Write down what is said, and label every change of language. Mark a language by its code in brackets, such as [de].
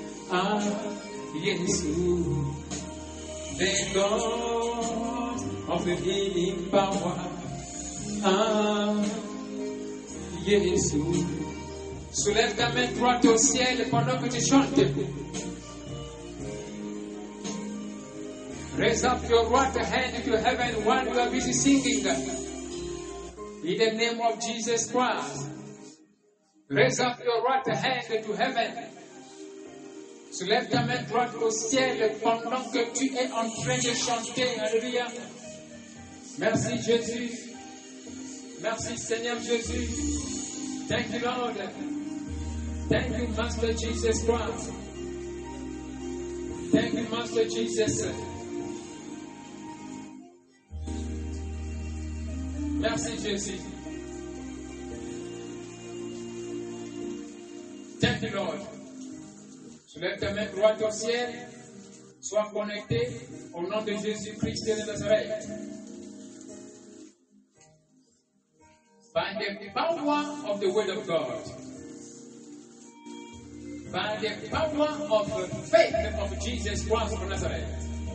[en] Ah, Yesu, the God of healing power. [fr] Ah, Yesu, soulève ta main droite au ciel pendant que tu chantes. [en] Raise up your right hand to heaven while you are busy singing. In the name of Jesus Christ, raise up your right hand to heaven. [fr] Soulève ta main droite au ciel pendant que tu es en train de chanter. Alléluia. Merci Jésus. Merci Seigneur Jésus. [en] Thank you Lord. Thank you Master Jesus Christ. Thank you Master Jesus. [fr] Merci Jésus. [en] Thank you Lord. [fr] Soulève ta main droite au ciel. Sois connecté au nom de Jésus Christ de Nazareth. [en] By the power of the word of God. By the power of faith of Jesus Christ of Nazareth.